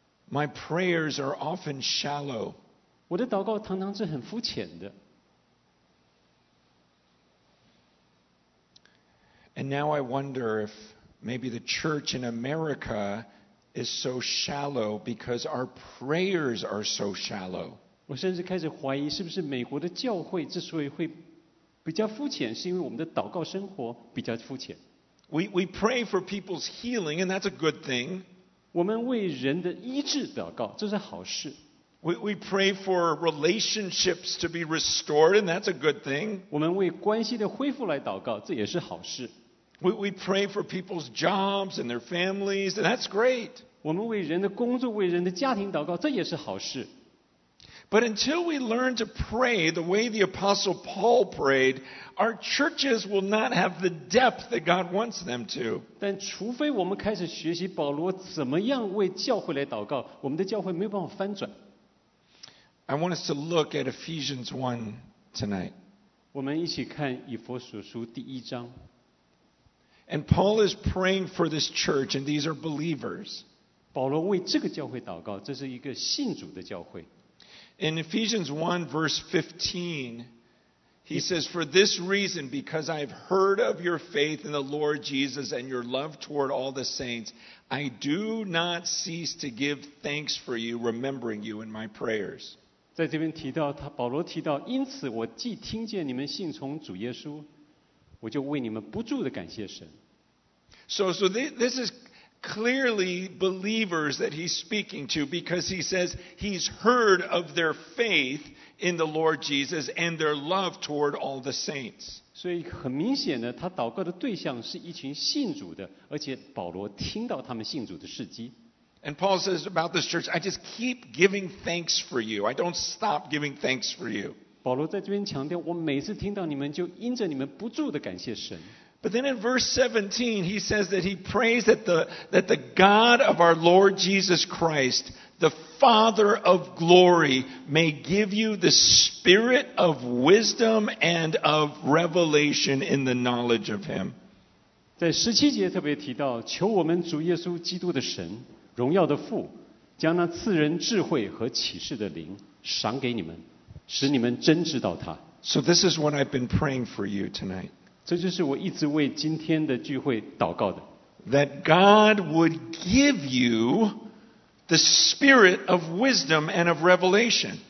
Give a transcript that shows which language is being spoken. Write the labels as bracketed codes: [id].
[en] My prayers are often shallow. [zh] 我的祷告常常是很肤浅的。 [en] And now I wonder if maybe the church in America is so shallow because our prayers are so shallow. [zh] 我甚至开始怀疑，是不是美国的教会之所以会比较肤浅，是因为我们的祷告生活比较肤浅。 [en] We pray for people's healing, and that's a good thing. [zh] 我们为人的医治祷告，这是好事。 [en] We pray for relationships to be restored, and that's a good thing. [zh] 我们为关系的恢复来祷告，这也是好事。 [en] We pray for people's jobs and their families, and that's great. [zh] 我们为人的工作、为人的家庭祷告，这也是好事。 [en] But until we learn to pray the way the Apostle Paul prayed, our churches will not have the depth that God wants them to. [zh] 但除非我们开始学习保罗怎么样为教会来祷告，我们的教会没有办法翻转。 [en] I want us to look at Ephesians 1 tonight. [zh] 我们一起看以弗所书第一章。 [en] And Paul is praying for this church, and these are believers. [zh] 保罗为这个教会祷告，这是一个信主的教会。 [en] In Ephesians 1, verse 15, he says, For this reason, because I have heard of your faith in the Lord Jesus and your love toward all the saints, I do not cease to give thanks for you, remembering you in my prayers. [zh] 在这边提到，保罗提到，因此我既听见你们信从主耶稣，我就为你们不住地感谢神。 [en] So this is... Clearly, believers that he's speaking to because he says he's heard of their faith in the Lord Jesus and their love toward all the saints. [zh] 所以很明显的，他祷告的对象是一群信主的，而且保罗听到他们信主的事迹。 [en] And Paul says about this church, I just keep giving thanks for you. I don't stop giving thanks for you. [zh] 保罗在这边强调，我每次听到你们，就因着你们不住的感谢神。 [en] But then in verse 17, he says that he prays that the God of our Lord Jesus Christ, the Father of glory, may give you the spirit of wisdom and of revelation in the knowledge of him. [zh] 在十七节特别提到，求我们主耶稣基督的神，荣耀的父，将那赐人智慧和启示的灵赏给你们，使你们真知道他。 [en] So this is what I've been praying for you tonight. [zh] 这就是我一直为今天的聚会祷告的。 [en] That God would give you the spirit of wisdom and of revelation.